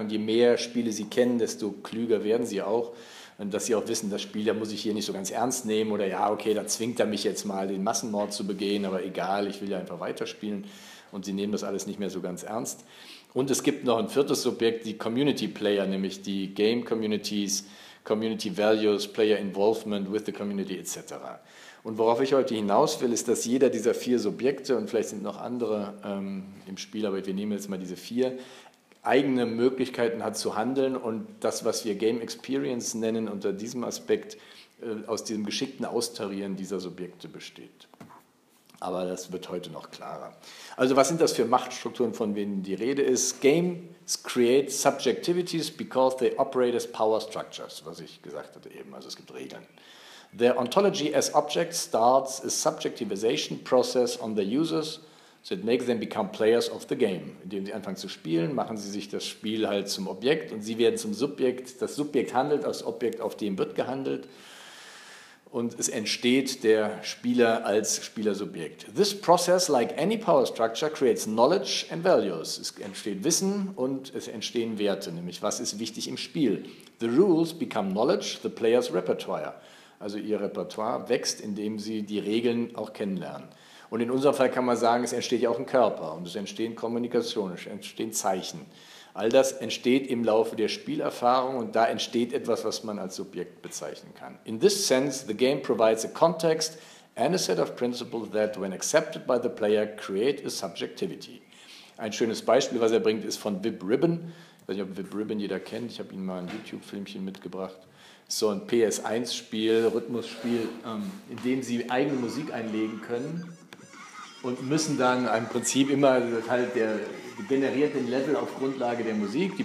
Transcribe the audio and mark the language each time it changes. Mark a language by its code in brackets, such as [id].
[de] Und je mehr Spiele sie kennen, desto klüger werden sie auch. Und dass sie auch wissen, das Spiel, da muss ich hier nicht so ganz ernst nehmen oder ja, okay, da zwingt er mich jetzt mal, den Massenmord zu begehen, aber egal, ich will ja einfach weiterspielen. Und sie nehmen das alles nicht mehr so ganz ernst. Und es gibt noch ein viertes Subjekt, die Community Player, nämlich die Game Communities, [en] Community Values, Player Involvement with the Community etc. [de] Und worauf ich heute hinaus will, ist, dass jeder dieser vier Subjekte, und vielleicht sind noch andere im Spiel, aber wir nehmen jetzt mal diese vier, eigene Möglichkeiten hat zu handeln und das, was wir Game Experience nennen, unter diesem Aspekt aus diesem geschickten Austarieren dieser Subjekte besteht. Aber das wird heute noch klarer. Also was sind das für Machtstrukturen, von denen die Rede ist? [en] Games create subjectivities because they operate as power structures, [de] was ich gesagt hatte eben, also es gibt Regeln. [en] Their ontology as objects starts a subjectivization process on the users that makes them become players of the game. [de] Indem sie anfangen zu spielen, machen sie sich das Spiel halt zum Objekt und sie werden zum Subjekt. Das Subjekt handelt als Objekt, auf dem wird gehandelt. Und es entsteht der Spieler als Spielersubjekt. [en] This process, like any power structure, creates knowledge and values. [de] Es entsteht Wissen und es entstehen Werte, nämlich was ist wichtig im Spiel. [en] The rules become knowledge, the player's repertoire. [de] Also ihr Repertoire wächst, indem sie die Regeln auch kennenlernen. Und in unserem Fall kann man sagen, es entsteht ja auch ein Körper und es entstehen Kommunikationen, es entstehen Zeichen. All das entsteht im Laufe der Spielerfahrung und da entsteht etwas, was man als Subjekt bezeichnen kann. [en] In this sense, the game provides a context and a set of principles that, when accepted by the player, create a subjectivity. [de] Ein schönes Beispiel, was er bringt, ist von Vib Ribbon. Ich weiß nicht, ob Vib Ribbon jeder kennt. Ich habe Ihnen mal ein YouTube-Filmchen mitgebracht. So ein PS1-Spiel, Rhythmusspiel, in dem Sie eigene Musik einlegen können und müssen dann im Prinzip immer halt der generiert den Level auf Grundlage der Musik.